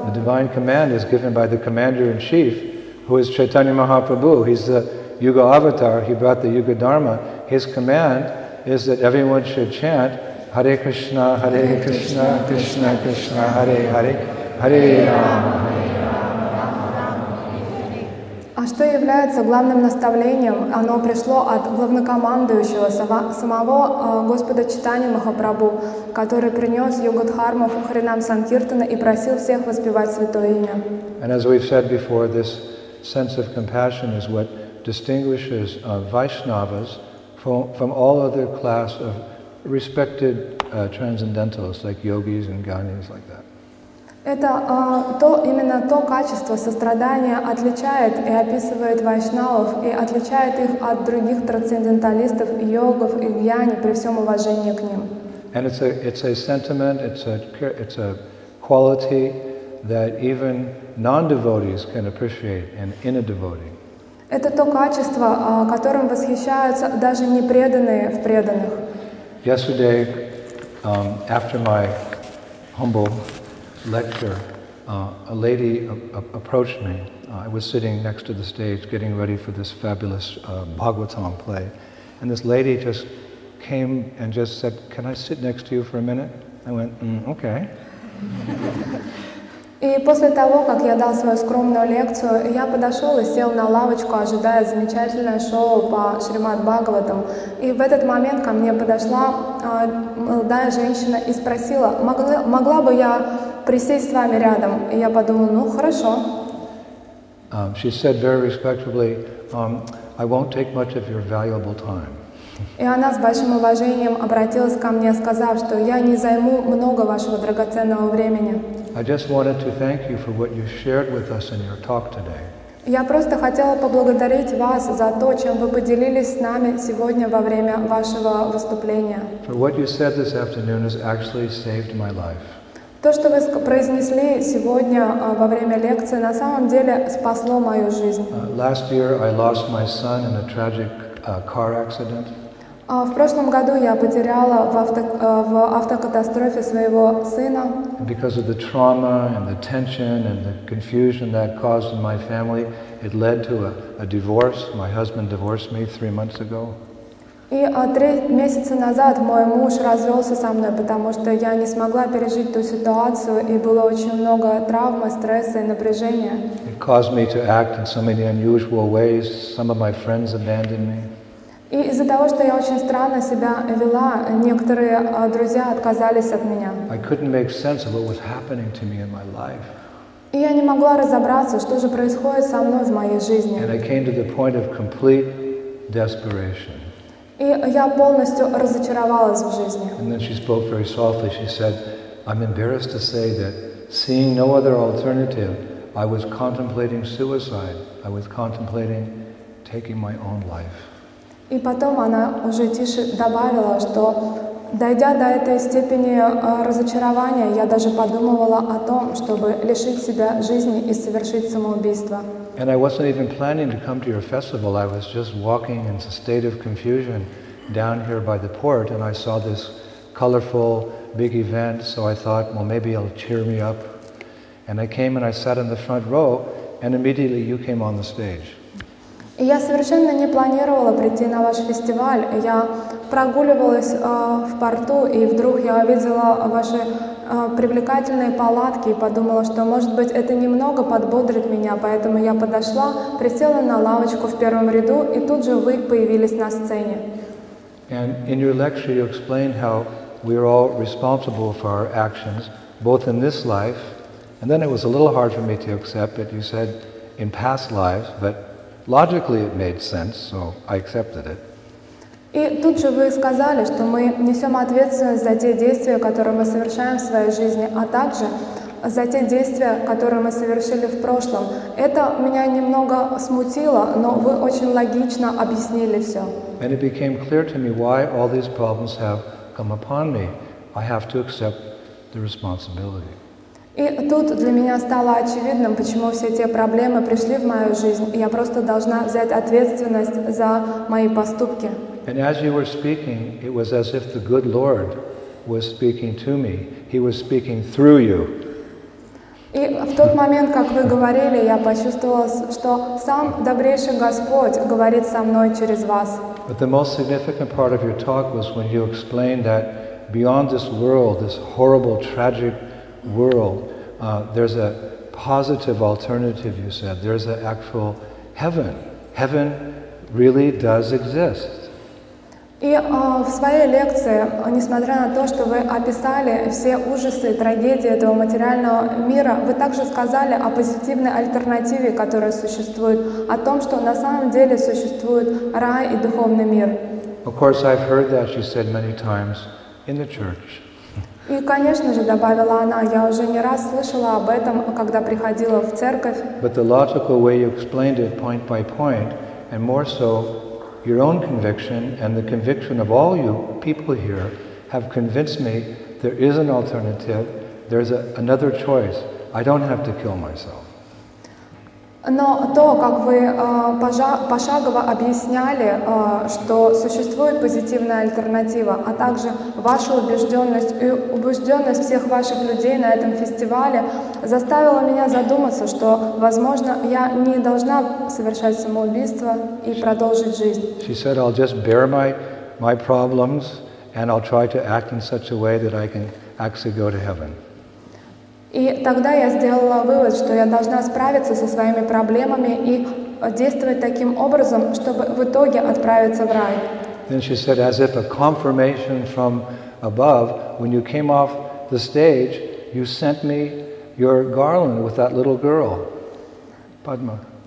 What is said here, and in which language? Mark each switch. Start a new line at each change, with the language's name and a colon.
English: The divine command is given by the commander-in-chief, who is Chaitanya Mahaprabhu. He's the Yuga avatar. He brought the Yuga Dharma. His command is that everyone should chant Hare Krishna, Hare Krishna, Krishna Krishna, Hare Hare, Hare Rama.
Russian: А что является главным наставлением? Оно пришло от главнокомандующего самого Господа Чайтаньи Махапрабху, который принес Йога-дхарму в Харинам Санкиртана и просил всех воспевать святое имя.
English: And as we've said before, this sense of compassion is what distinguishes Vaishnavas from all other class of respected transcendentalists like yogis and ganis like that.
Russian: Это то именно то качество сострадания отличает и описывает вайшнавов и отличает их от других трансценденталистов, йогов и гьяни при всем уважении к ним.
English: And it's a sentiment, it's a quality that even non-devotees can appreciate in a devotee.
Russian: Это то качество, которым восхищаются даже непреданные в преданных.
English: Yesterday, after my humble lecture, a lady approached me. I was sitting next to the stage getting ready for this fabulous Bhagavatam play. And this lady just came and just said, can I sit next to you for a minute? I went, okay.
Russian: И после того, как я дал свою скромную лекцию, я подошел и сел на лавочку, ожидая замечательное шоу по Шримад Бхагаватам. И в этот момент ко мне подошла молодая женщина и спросила, могла бы я присесть с вами рядом? И я подумал, ну хорошо.
English: She said very respectfully, I won't take much of your valuable time.
Russian: И она с большим уважением обратилась ко мне, сказав, что я не займу много вашего драгоценного времени.
English: I just wanted to thank you for what you shared with us in your talk today.
Russian: Я просто хотела поблагодарить вас за то, чем вы поделились с нами сегодня во время вашего выступления.
English: For what you said this afternoon has actually saved my life.
Russian: То, что вы произнесли сегодня во время лекции, на самом деле спасло мою жизнь.
English: Last year I lost my son in a tragic car accident.
Russian: В прошлом году я потеряла в автокатастрофе своего сына.
English: Because of the trauma and the tension and the confusion that caused in my family, it led to a divorce. My husband divorced me 3 months ago.
Russian: И 3 месяца назад мой муж развелся со мной, потому что я не смогла пережить ту ситуацию, и было очень много травмы, стресса и напряжения.
English: It caused me to act in so many unusual ways. Some of my friends abandoned me.
Russian: И из-за того, что я очень странно себя вела, некоторые друзья отказались от меня.
English: I couldn't make sense of what was happening to me in my life.
Russian: И я не могла разобраться, что же происходит со мной в моей жизни.
English: And I came to the point of complete desperation.
Russian: И я полностью разочаровалась в жизни.
English: And then she spoke very softly. She said, "I'm embarrassed to say that, seeing no other alternative, I was contemplating suicide. I was contemplating taking my own life."
Russian: И потом она уже тише добавила, что, дойдя до этой степени разочарования, я даже подумывала о том, чтобы лишить себя жизни и совершить самоубийство.
English: And I wasn't even planning to come to your festival. I was just walking in a state of confusion down here by the port, and I saw this colorful big event, so I thought, well, maybe it'll cheer me up. And I came and I sat in the front row, and immediately you came on the stage.
Russian: И я совершенно не планировала прийти на ваш фестиваль. Я прогуливалась в порту, и вдруг я увидела ваши привлекательные палатки и подумала, что, может быть, это немного подбодрит меня. Поэтому я подошла, присела на лавочку в первом ряду, и тут же вы появились на сцене.
English: And in your lecture you explained how we are all responsible for our actions, both in this life, and then it was a little hard for me to accept, but you said in past lives, but logically, it made sense, so I accepted it.
Russian: И тут же вы сказали, что мы несем ответственность за те действия, которые мы совершаем в своей жизни, а также за те действия, которые мы совершили в прошлом. Это меня немного смутило, но вы очень логично объяснили все.
English: And it became clear to me why all these problems have come upon me. I have to accept the responsibility.
Russian: И тут для меня стало очевидным, почему все те проблемы пришли в мою жизнь, и я просто должна взять ответственность за мои поступки.
English: And as you were speaking, it was as if the good Lord was speaking to me. He was speaking through you.
Russian: И в тот момент, как вы говорили, я почувствовала, что сам добрейший Господь говорит со мной через вас.
English: But the most significant part of your talk was when you explained that beyond this world, this horrible, tragic world, there's a positive alternative, you said. There's an actual heaven. Heaven really does exist.
Russian: И в своей лекции, несмотря на то, что вы описали все ужасы и трагедии этого материального мира, вы также сказали о позитивной альтернативе, которая существует, о том, что на самом деле существует рай и духовный мир.
English: Of course, I've heard that, you said many times in the church.
Russian: И, конечно же, добавила она, я уже не раз слышала об этом, когда приходила в церковь.
English: But the logical way you explained it point by point, and more so your own conviction and the conviction of all you people here, have convinced me there is an alternative, there's another choice. I don't have to kill myself.
Russian: Но то, как вы пошагово объясняли, что существует позитивная альтернатива, а также ваша убежденность и убежденность всех ваших людей на этом фестивале, заставило меня задуматься, что, возможно, я не должна совершать самоубийство и продолжить жизнь.
English: She said, I'll just bear my problems and I'll try to act in such a way that I can actually go to heaven.
Russian: И тогда я сделала вывод, что я должна справиться со своими проблемами и действовать таким образом, чтобы в итоге отправиться в рай.
English: Then she said, as if a confirmation from above, when you came off the stage, you sent me your garland with that little girl, Padma.